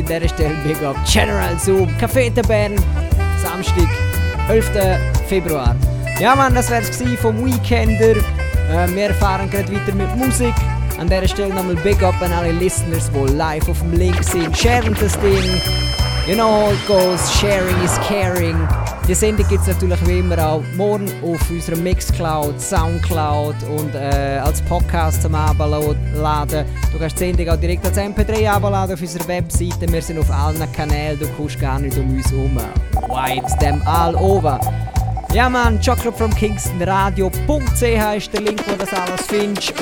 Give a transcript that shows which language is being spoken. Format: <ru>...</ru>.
<de>An dieser Stelle Big Up General Zoom, Café der Bern, Samstag, 11. Februar. Ja, Mann, das wär's gewesen vom Weekender. Wir fahren gerade weiter mit Musik. An dieser Stelle nochmal Big Up an alle Listeners, die live auf dem Link sind. Sharen das Ding.</de> <en>You know how it goes, sharing is caring.</en> <de>Die Sendung gibt es natürlich wie immer auch morgen auf unserer Mixcloud, Soundcloud und als Podcast zum Abladen. Du kannst die Sendung auch direkt als MP3 abladen auf unserer Webseite. Wir sind auf allen Kanälen, du kommst gar nicht um uns herum.</de> <en>Wipes them all over.</en> <de>Ja man, Chocolate from Kingston Radio.ch ist der Link, wo das alles findest.</de>